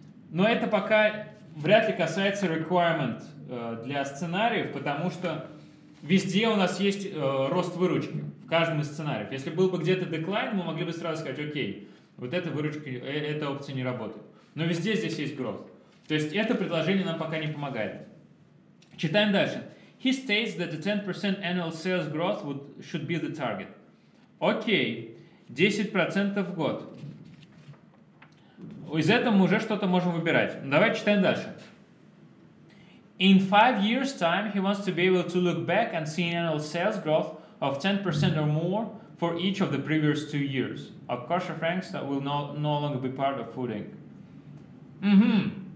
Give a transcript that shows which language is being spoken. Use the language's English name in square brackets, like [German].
[Russian] Но это пока вряд ли касается requirement для сценариев, потому что везде у нас есть рост выручки в каждом из сценариев. Если был бы где-то decline, мы могли бы сразу сказать, окей, вот эта выручка, эта опция не работает. Но везде здесь есть growth. То есть это предложение нам пока не помогает. Читаем дальше. [English] He states that the 10% annual sales growth should be the target. [Russian] Окей. 10% в год. Из этого мы уже что-то можем выбирать. Давайте читаем дальше. [English] In 5 years time, he wants to be able to look back and see an annual sales growth of 10% or more for each of the previous 2 years. Of course, Franks that will no longer be part of Food Inc. Mm-hmm.